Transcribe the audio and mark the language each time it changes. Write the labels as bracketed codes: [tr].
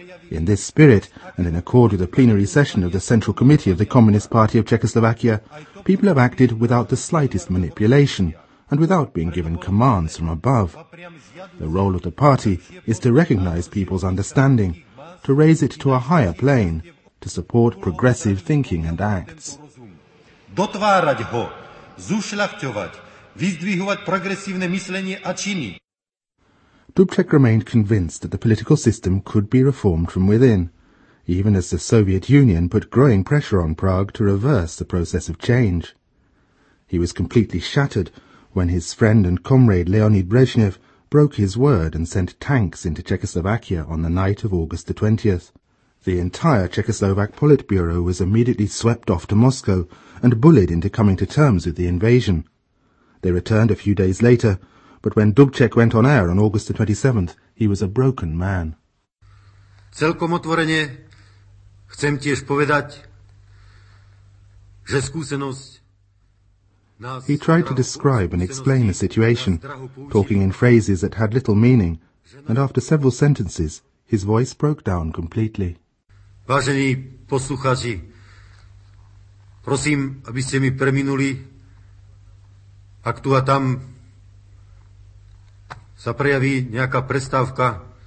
[en] In this spirit, and in accord with the plenary session of the Central Committee of the Communist Party of Czechoslovakia, people have acted without the slightest manipulation and without being given commands from above. The role of the party is to recognize people's understanding, to raise it to a higher plane, to support progressive thinking and acts. [sk] Dotvárať ho, zušľachťovať, vyzdvihovať progresívne myslenie a činy. [en] Dubček remained convinced that the political system could be reformed from within, even as the Soviet Union put growing pressure on Prague to reverse the process of change. He was completely shattered when his friend and comrade Leonid Brezhnev broke his word and sent tanks into Czechoslovakia on the night of August the 20th. The entire Czechoslovak Politburo was immediately swept off to Moscow and bullied into coming to terms with the invasion. They returned a few days later, but when Dubček went on air on August the 27th, he was a broken man. [sk] Celkom otvorene chcem tiež povedať, že skúsenosť. [en] He tried to describe and explain the situation, talking in phrases that had little meaning, and after several sentences, his voice broke down completely. [sk] Vážení poslucháči, prosím, aby ste mi preminuli, ak tu a tam sa prejaví nejaká prestávka.